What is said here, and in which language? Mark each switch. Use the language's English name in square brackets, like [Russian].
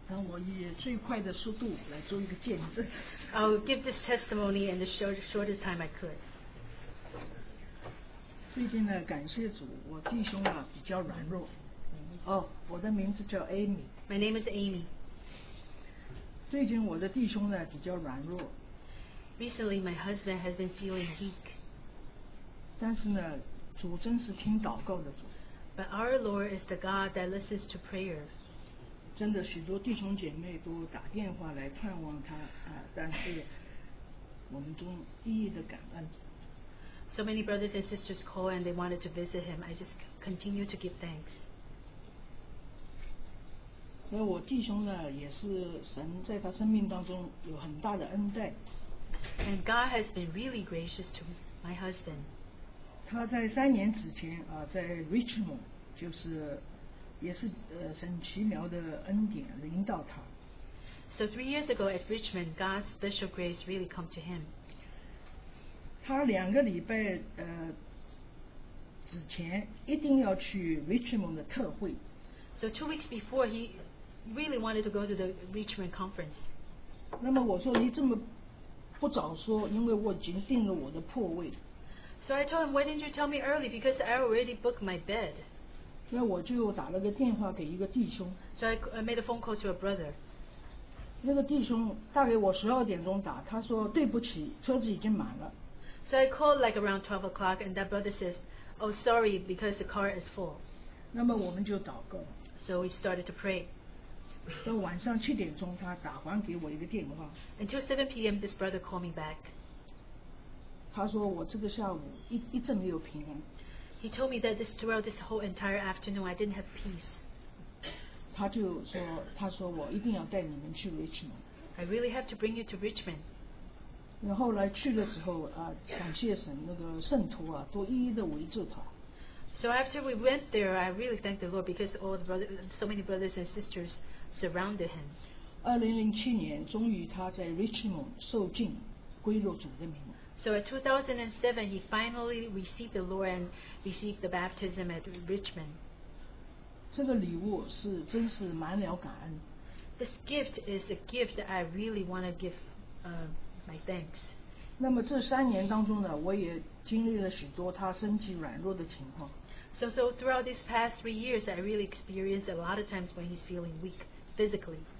[Chinese] 我以最快的速度来做一个见证。 [English] I'll give this testimony in the shortest time I could. [Chinese] 最近呢，感谢主，我弟兄啊比较软弱。哦，我的名字叫 Amy。 [English] My name is Amy. [Chinese] 最近我的弟兄呢比较软弱。 [English] Recently, my husband has been feeling weak. [Chinese] 但是呢，主真是听祷告的主。 [English] But our Lord is the God that listens to prayer. [Chinese] 真的许多弟兄姐妹都打电话来探望他啊，但是我们中一一的感恩。 [English] So many brothers and sisters call and they wanted to visit him. I just continue to give thanks. [Chinese] 那我弟兄呢，也是神在他生命当中有很大的恩待。 [English] And God has been really gracious to my husband. [Chinese] 他在三年之前啊，在 Richmond 就是。也是神奇妙的恩典领导他。 [English] So 3 years ago at Richmond, God's special grace really come to him. [Chinese] 他两个礼拜之前一定要去 Richmond 的特会。 [English] So 2 weeks before, he really wanted to go to the Richmond conference. [Chinese] 那么我说你这么不早说，因为我已经定了我的铺位。 [English] So I told him, why didn't you tell me early? Because I already booked my bed. [Chinese] 那我就打了个电话给一个弟兄。 [English] So I made a phone call to a brother. [Chinese] 那个弟兄大概我12点钟打，他说对不起，车子已经满了。 [English] So I called like around 12 o'clock, and that brother says, "Oh, sorry, because the car is full." [Chinese] 那么我们就祷告。 [English] So we started to pray. [Chinese] 到晚上7点钟，他打还给我一个电话。 [English] Until 7 p.m., this brother called me back. [Chinese] 他说我这个下午一直没有平安。 [English] He told me that this throughout this whole entire afternoon, I didn't have peace. [Chinese] 他就说，他说我一定要带你们去 Richmond. [English] I really have to bring you to Richmond. [Chinese] 那后来去了之后啊，感谢神，那个圣徒啊，都一一的围着他。 [English] So after we went there, I really thanked the Lord because all the brothers, so many brothers and sisters surrounded him. [Chinese] 2007年，终于他在 Richmond 受浸，归入主的名。 [English] So in 2007, he finally received the Lord and received the baptism at Richmond. [Chinese] 这个礼物是真是满了感恩。 [English] This gift is a gift that I really want to give my thanks. [Chinese] 那么这三年当中呢，我也经历了许多他身体软弱的情况。 [English] So throughout these past 3 years, I really experienced a lot of times when he's feeling weak physically.